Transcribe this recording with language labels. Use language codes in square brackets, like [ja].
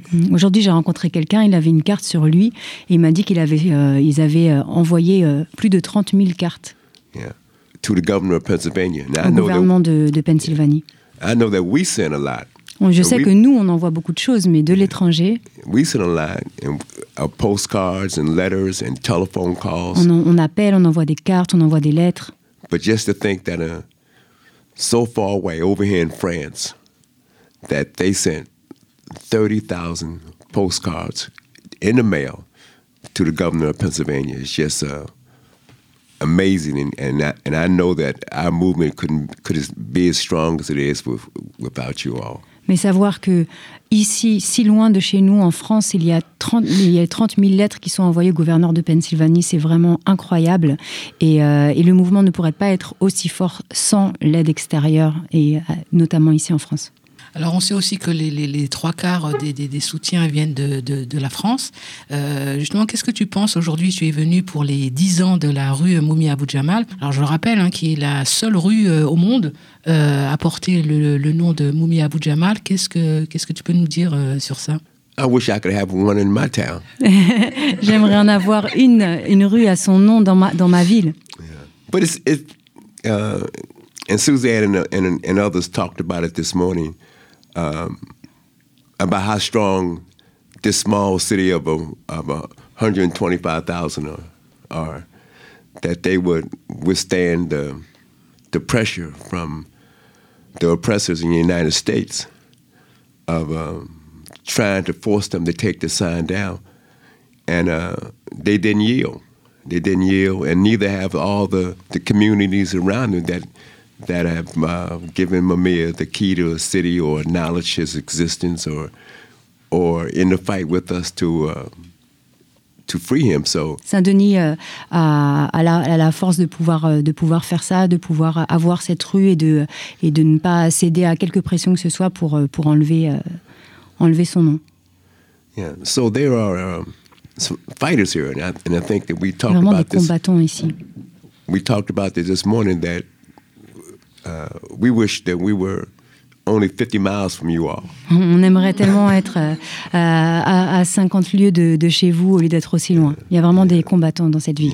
[fr] Aujourd'hui, j'ai rencontré quelqu'un, il avait une carte sur lui et il m'a dit qu'ils avaient envoyé plus de 30 000 cartes. [en] Yeah. To the governor of Pennsylvania. [fr] Now, au gouvernement de Pennsylvanie. [en] I know that we sent a lot. [fr] Je sais que nous, on envoie beaucoup de choses, mais de l'étranger. [en] We sent a lot, and postcards and letters and telephone calls. [fr] On appelle, on envoie des cartes, on envoie des lettres. [en] But just to think that so far away over here in France, that they sent 30,000 postcards in the mail to the governor of Pennsylvania is just amazing. And I know that our movement could be as strong as it is without you all. [fr] Mais savoir que ici, si loin de chez nous, en France, il y a 30 000 lettres qui sont envoyées au gouverneur de Pennsylvanie, c'est vraiment incroyable. Et le mouvement ne pourrait pas être aussi fort sans l'aide extérieure, et notamment ici en France. Alors, on sait aussi que les trois quarts des soutiens viennent de la France. Justement, qu'est-ce que tu penses aujourd'hui? Tu es venu pour les 10 ans de la rue Moumia Abou Djamal. Alors, je le rappelle, qui est la seule rue au monde à porter le nom de Moumia Abou Djamal. Qu'est-ce que tu peux nous dire sur ça? [en] I wish I could have one in my town. [fr] J'aimerais en avoir une rue à son nom dans ma ville. Yeah. [en] But and Suzanne and others talked about it this morning. About how strong this small city of 125,000 are, that they would withstand the pressure from the oppressors in the United States of trying to force them to take the sign down. And they didn't yield. They didn't yield, and neither have all the communities around them that have given Mamiya the key to a city or acknowledged his existence or in the fight with us to free him. So [fr] Saint-Denis a la force de pouvoir faire ça, de pouvoir avoir cette rue et de ne pas céder à quelque pression que ce soit pour enlever son nom. [en] Yeah, so there are some fighters here, and I think that we talked [fr] vraiment [en] about [fr] des combattants [en] this. [fr] Ici. [en] We talked about this morning that we wish that we were only 50 miles from you all. [fr] On aimerait tellement être à 50 lieues de chez vous au lieu d'être aussi loin. Il y a vraiment des combattants dans cette ville.